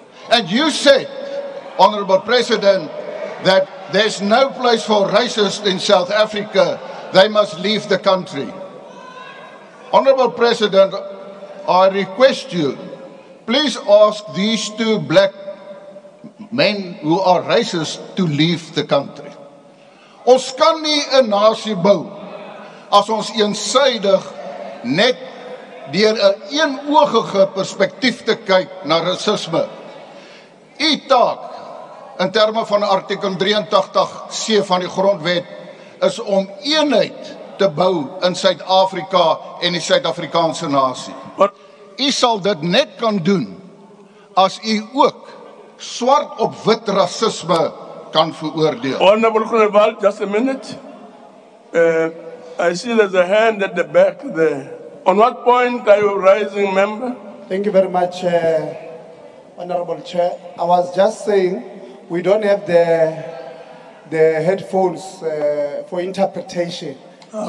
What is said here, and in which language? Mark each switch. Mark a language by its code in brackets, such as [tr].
[en] And you said, Honourable President, that there's no place for racists in South Africa. They must leave the country. Honourable President, I request you, please ask these two black men who are racist to leave the country. [af] Ons kan nie 'n nasie bou as ons eensydig net deur 'n eenoogige perspektief te kyk na rasisme. U taak in terme van artikel 83c van die grondwet is om eenheid te bou in Suid-Afrika en die Suid-Afrikaanse nasie. U sal dit net kan doen as u ook swart op wit rasisme kan veroordeel. [en] Honourable Groenewald, just a minute. I see there's a hand at the back there. On what point are you rising, member? Thank you very much, Honourable Chair. I was just saying, we don't have the headphones for interpretation. Okay.